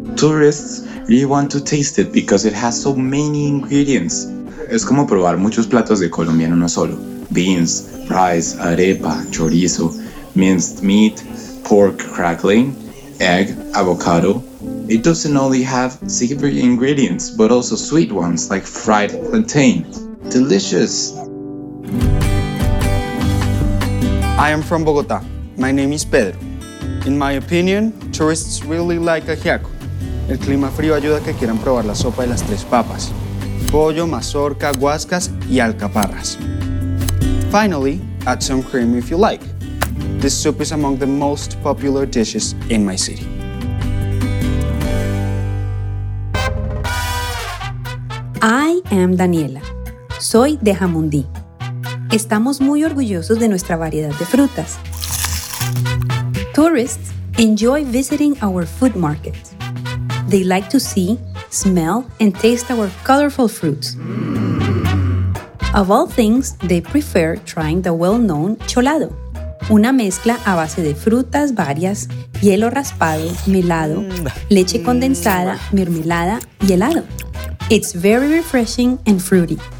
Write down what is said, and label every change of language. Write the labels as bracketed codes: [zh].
[en] Tourists really want to taste it because it has so many ingredients. [es] Es como probar muchos platos de Colombia en uno solo. [en] Beans, rice, arepa, chorizo, minced meat, pork crackling, egg, avocado. It doesn't only have savory ingredients, but also sweet ones like fried plantain. Delicious! I am from Bogotá. My name is Pedro. In my opinion, tourists really like ajiaco. [es] El clima frío ayuda a que quieran probar la sopa de las tres papas. Pollo, mazorca, guascas y alcaparras. [en] Finally, add some cream if you like. This soup is among the most popular dishes in my city. I am Daniela. [es] Soy de Jamundí. Estamos muy orgullosos de nuestra variedad de frutas. [en] Tourists enjoy visiting our food market. They like to see, smell, and taste our colorful fruits. Of all things, they prefer trying the well-known cholado, [es] una mezcla a base de frutas varias, hielo raspado, melado, leche condensada, mermelada y helado. [en] It's very refreshing and fruity.